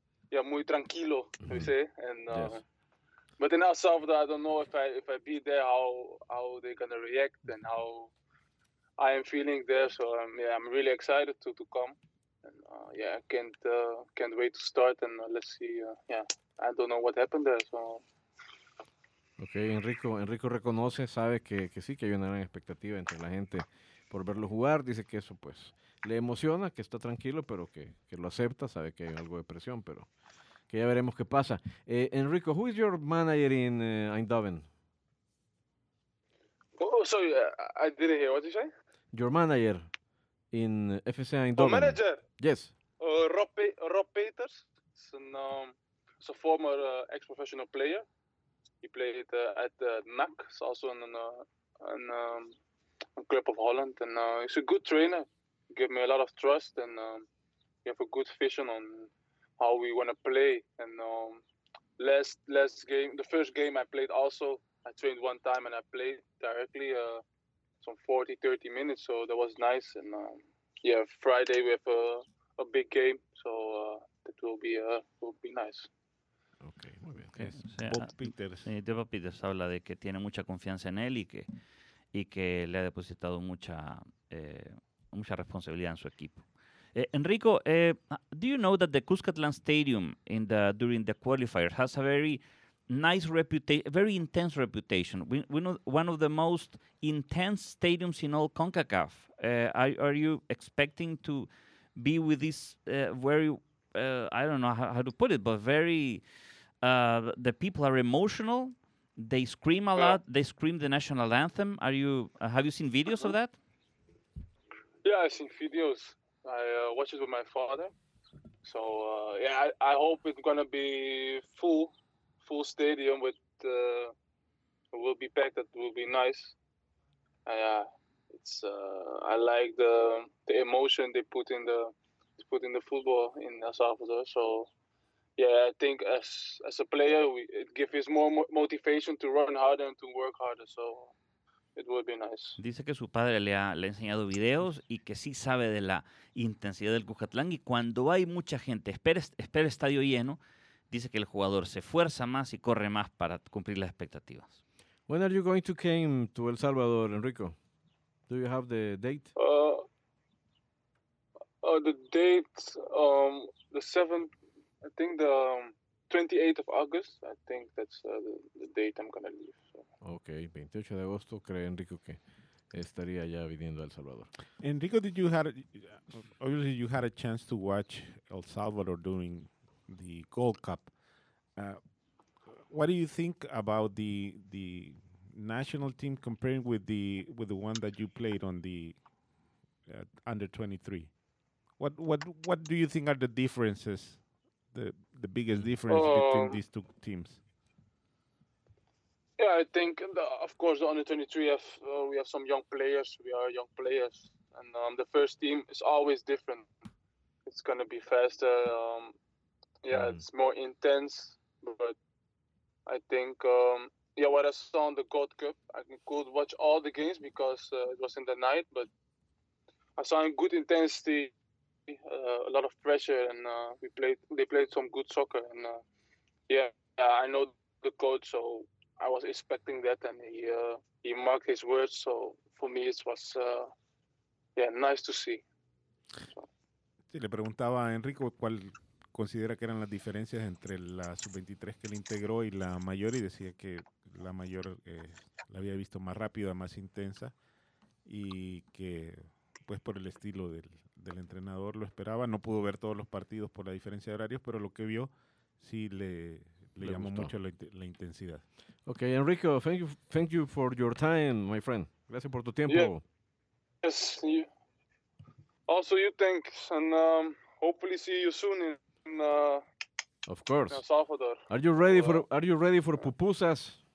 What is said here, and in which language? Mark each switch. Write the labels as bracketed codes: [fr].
[en] Yeah, [es] muy tranquilo, [en] mm-hmm. You say. And yes. But in El Salvador, I don't know if I be there, how they're going to react and how I am feeling there. So, I'm really excited to come. And can't wait to start, and let's see. I don't know what happened there, so... [es] Okay, Enrico reconoce, sabe que sí, que hay una gran expectativa entre la gente por verlo jugar. Dice que eso, pues, le emociona, que está tranquilo, pero que lo acepta. Sabe que hay algo de presión, pero que ya veremos qué pasa. [en] Enrico, who is your manager in Eindhoven? Oh, sorry, I didn't hear. What did you say? Your manager in FC Eindhoven. Oh, manager? Yes. Rob Peters. It's a former ex-professional player. He played at NAC, also in a club of Holland, and he's a good trainer. He gave me a lot of trust, and we have a good vision on how we want to play. And last game, the first game I played also, I trained one time and I played directly some 40, 30 minutes, so that was nice. And Friday we have a big game, so that will be nice. [es] Okay, muy bien. Bob Peters. Sí, Bob Peters habla de que tiene mucha confianza en él y que le ha depositado mucha responsabilidad en su equipo. [en] Enrico, do you know that the Cuscatlán Stadium during the qualifier has a very nice reputation, very intense reputation? We know one of the most intense stadiums in all CONCACAF. Are you expecting to be with this very, I don't know how to put it, but very... the people are emotional. They scream a lot. They scream the national anthem. Have you seen videos of that? Yeah, I've seen videos. I watch it with my father. So, I hope it's going to be full stadium. It will be packed. It will be nice. I like the emotion they put in the football in El Salvador. So... Yeah, I think as a player, it gives us more motivation to run harder and to work harder. So it would be nice. [es] Dice que su padre le ha enseñado videos y que sí sabe de la intensidad del Cuscatlán. Y cuando hay mucha gente, espera estadio lleno, dice que el jugador se esfuerza más y corre más para cumplir las expectativas. [en] When are you going to came to El Salvador, Enrico? Do you have the date? The date, the 7th. I think the 28th of August, I think that's the date I'm going to leave. So. [es] Okay, 28 de agosto, cree Enrico que estaría ya viniendo a El Salvador. [en] Enrico, obviously you had a chance to watch El Salvador during the Gold Cup. What do you think about the national team comparing with the one that you played on the under 23? What do you think are the differences? The biggest difference between these two teams. Yeah, I think of course the under 23 we have some young players. We are young players, and the first team is always different. It's gonna be faster. It's more intense. But I think what I saw in the Gold Cup, I could watch all the games because it was in the night. But I saw a good intensity. A lot of pressure, and they played some good soccer, and I know the coach, so I was expecting that, and he marked his words. So for me, it was nice to see. [es] Sí, le preguntaba a Enrico cuál considera que eran las diferencias entre la sub-23 que le integró y la mayor, y decía que la mayor la había visto más rápida, más intensa, y que pues por el estilo del entrenador lo esperaba. No pudo ver todos los partidos por la diferencia de horarios, pero lo que vio sí le llamó gustó. Mucho la intensidad. [en] Okay, Enrico, thank you for your time, my friend. [es] Gracias por tu tiempo. [en] Yeah. Yes, you. Also, you thanks, and hopefully see you soon in of course. In Salvador. Are you ready for pupusas?